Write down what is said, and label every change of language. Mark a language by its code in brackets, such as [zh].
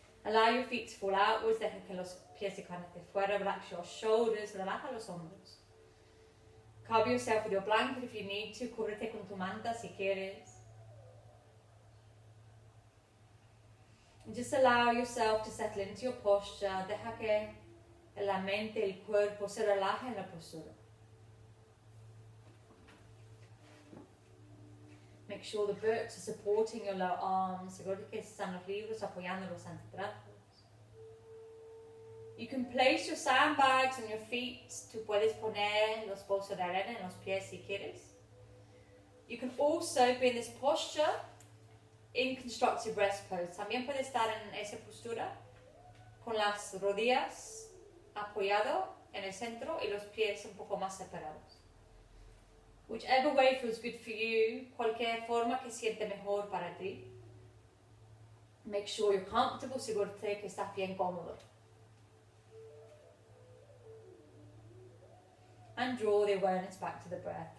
[en] Allow your feet to fall outwards, [es] deja que los pies se caigan hacia fuera, [en] relax your shoulders, [es] relaja los hombros. [en] Cover yourself with your blanket if you need to. [es] Cúbrete con tu manta si quieres. [en] And just allow yourself to settle into your posture. [es] Deja que la mente, el cuerpo se relaje en la postura. [en] Make sure the books are supporting your lower arms. [es] Asegúrate que están los libros apoyando los antebrazos. [en] You can place your sandbags on your feet. [es] Tú puedes poner los bolsos de arena en los pies si quieres. [en] You can also be in this posture in constructive rest pose. [es] También puedes estar en esa postura con las rodillas apoyado en el centro y los pies un poco más separados. [en] Whichever way feels good for you, [es] cualquier forma que siente mejor para ti. [en] Make sure you're comfortable, [es] asegúrate que estás bien cómodo. [en] and draw the awareness back to the breath.